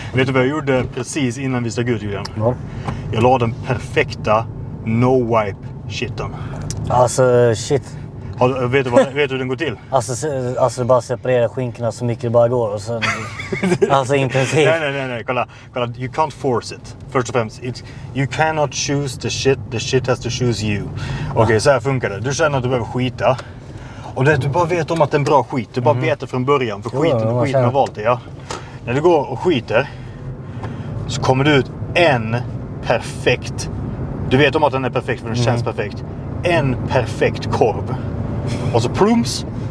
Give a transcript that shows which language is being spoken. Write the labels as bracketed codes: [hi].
[sv] Vet du vad jag gjorde precis innan vi stack ut, Julian? Ja. Jag la den perfekta no-wipe-shitten. Alltså, shit. Vet du hur den går till? Alltså bara separera skinkorna så mycket det bara går och sen... alltså intensivt. Nej. Kolla, [en] you can't force it. First of all, you cannot choose the shit has to choose you. [sv] Okej, okay, så här funkar det. Du känner att du behöver skita. Och det, du bara vet om att det är en bra skit. Du bara vet det från början, för skiten har valt det, ja. När du går och skiter så kommer du ut en perfekt... Du vet om att den är perfekt för den känns perfekt. En perfekt korv. Och så plums.